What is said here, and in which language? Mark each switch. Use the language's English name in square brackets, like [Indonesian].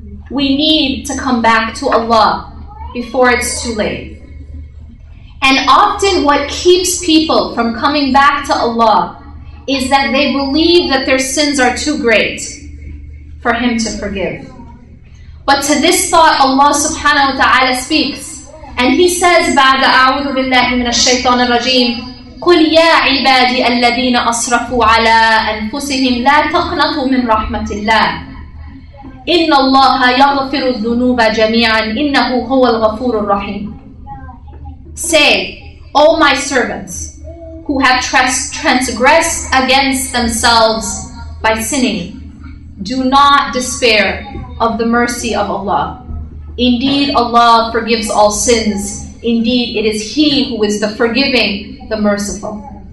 [English] We need to come back to Allah before it's too late. And often what keeps people from coming back to Allah is that they believe that their sins are too great for Him to forgive. But to this thought, Allah subhanahu wa ta'ala speaks. And He says, [Arabic] بعد أعوذ بالله من الشيطان الرجيم قل يا عبادي الذين أسرفوا على أنفسهم لا تقنطوا من رحمة الله إن الله يغفر الذنوب جميعا إنه هو الغفور الرحيم. [English] Say, O my servants, who have transgressed against themselves by sinning, do not despair of the mercy of Allah. Indeed, Allah forgives all sins. Indeed, it is He who is the forgiving, the merciful.